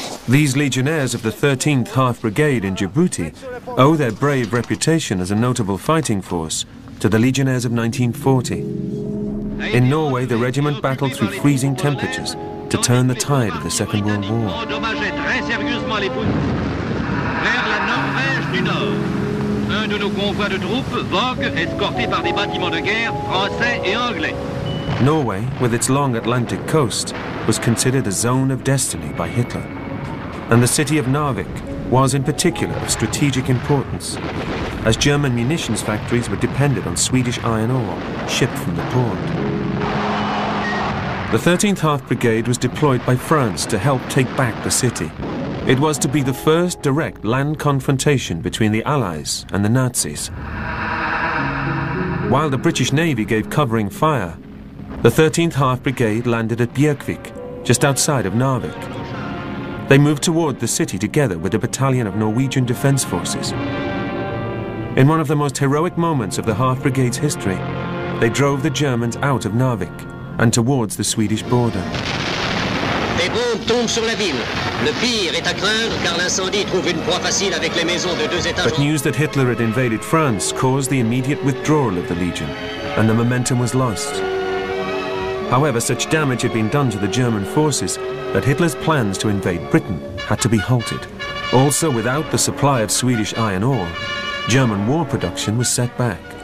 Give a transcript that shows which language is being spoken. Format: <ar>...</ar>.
<en>These Legionnaires of the 13th Half Brigade in Djibouti owe their brave reputation as a notable fighting force to the Legionnaires of 1940. In Norway, the regiment battled through freezing temperatures to turn the tide of the Second World War.</en> <fr>Vers la Norvège du Nord, un de nos convois de troupes vogue escorté par des bâtiments de guerre français et anglais.</fr> <en>Norway, with its long Atlantic coast, was considered a zone of destiny by Hitler. And the city of Narvik was in particular of strategic importance, as German munitions factories were dependent on Swedish iron ore shipped from the port. The 13th Half Brigade was deployed by France to help take back the city. It was to be the first direct land confrontation between the Allies and the Nazis. While the British Navy gave covering fire, the 13th Half Brigade landed at Björkvik, just outside of Narvik. They moved toward the city together with a battalion of Norwegian Defense Forces. In one of the most heroic moments of the Half Brigade's history, they drove the Germans out of Narvik and towards the Swedish border.</en> <fr>Les bombes tombent sur la ville. Le pire est à craindre car l'incendie trouve une proie facile avec les maisons de deux étages.</fr> <en>But news that Hitler had invaded France caused the immediate withdrawal of the Legion, and the momentum was lost. However, such damage had been done to the German forces that Hitler's plans to invade Britain had to be halted. Also, without the supply of Swedish iron ore, German war production was set back.</en>